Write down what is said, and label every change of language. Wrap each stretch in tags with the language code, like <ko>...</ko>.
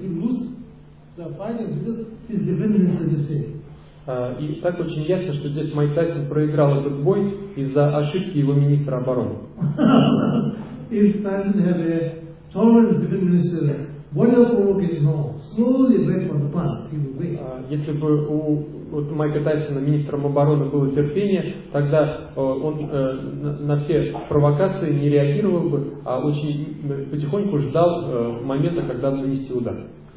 <en>He lose the fight because his defend minister mistake.</en> <ru>И так очень ясно, что здесь Майк Тайсон проиграл этот бой из-за ошибки его министра обороны.</ru> <en>If Tyson had a tolerant defend minister, what if he would get slowly wait for the punch? He would wait.</en> <ru>Если бы у Майка Тайсона министром обороны было терпение, тогда он на все провокации не реагировал бы, а очень потихоньку ждал момента, когда нанести удар.</ru>